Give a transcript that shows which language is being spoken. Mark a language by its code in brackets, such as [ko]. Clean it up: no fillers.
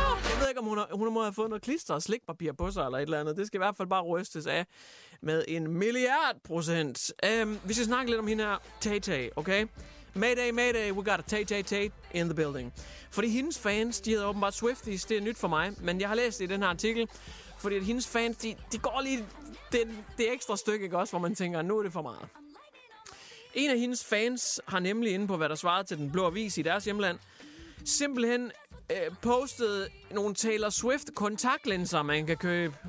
[da] Jeg ved ikke, om hun må have fået noget klister og slikpapir på sig eller et eller andet. Det skal i hvert fald bare rystes af med en 1 milliard%. Vi skal snakke lidt om hende her, Tay-Tay, okay? [en] Mayday, mayday, we got a Tay-Tay-Tay in the building. [da] Fordi hendes fans, de hedder åbenbart Swifties, det er nyt for mig. Men jeg har læst i den her artikel, fordi at hendes fans, de går lige det ekstra stykke, ikke også? Hvor man tænker, nu er det for meget. En af hendes fans har nemlig inde på, hvad der svarede til Den Blå Avis i deres hjemland, simpelthen postede nogle Taylor Swift kontaktlinser, man kan købe.